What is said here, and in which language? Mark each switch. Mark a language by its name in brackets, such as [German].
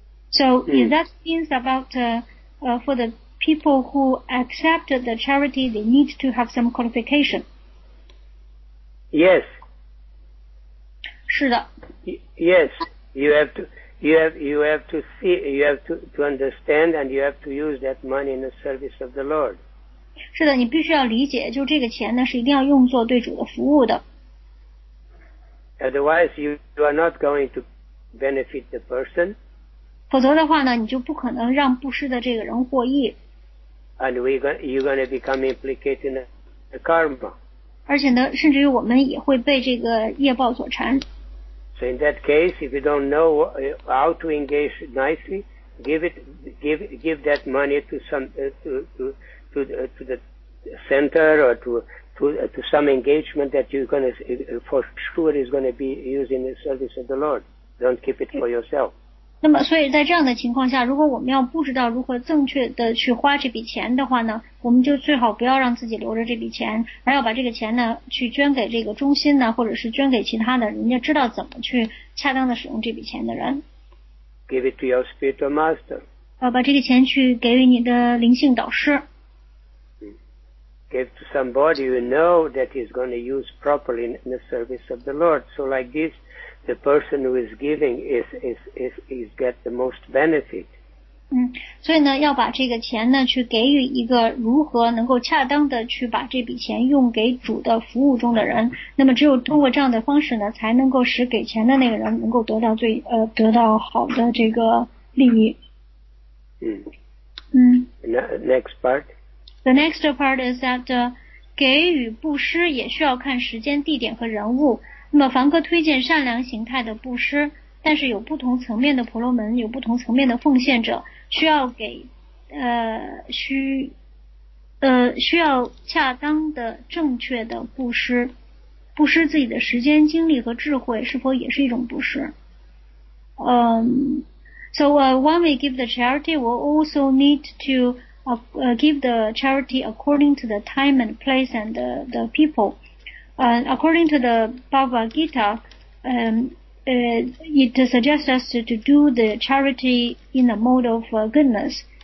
[English] So that means about for the people who accept the charity, they need to have some qualification. Yes. [Chinese] 是的 [English] Yes, you have to. You have to understand, and you have to use that money in the service of the Lord. [Chinese] 是的，你必须要理解，就这个钱呢是一定要用作对主的服务的。 [English] Otherwise, you are not going to benefit the person. [Chinese] 否则的话呢，你就不可能让布施的这个人获益。 [English] And you're going to become implicated in the karma. [Chinese] 而且呢，甚至于我们也会被这个业报所缠。 [English] So in that case, if you don't know how to engage nicely, give that money to some to the center or to some engagement that you're going to for sure is going to be used in the service of the Lord. Don't keep it for yourself. [Chinese] 那么，所以在这样的情况下，如果我们要不知道如何正确的去花这笔钱的话呢，我们就最好不要让自己留着这笔钱，而要把这个钱呢去捐给这个中心呢，或者是捐给其他的人家知道怎么去恰当的使用这笔钱的人。 [English] Give it to your spiritual master. [Chinese] 把这个钱去给予你的灵性导师。 [English] Give to somebody you know that is going to use properly in the service of the Lord. So like this. The person who is giving is get the most benefit. [Chinese] 所以呢，要把这个钱呢，去给予一个如何能够恰当的去把这笔钱用给主的服务中的人。那么，只有通过这样的方式呢，才能够使给钱的那个人能够得到最得到好的这个利益。 [English] Next part. The next part is that [Chinese] 给予布施也需要看时间、地点和人物。那么梵哥推荐善良形态的布施，但是有不同层面的婆罗门，有不同层面的奉献者，需要给需要恰当的正确的布施，布施自己的时间、精力和智慧，是否也是一种布施？ [English] So when we give the charity, we also need to give the charity according to the time and place and the people. According to the Bhagavad Gita, it suggests us to do the charity in the mode of goodness.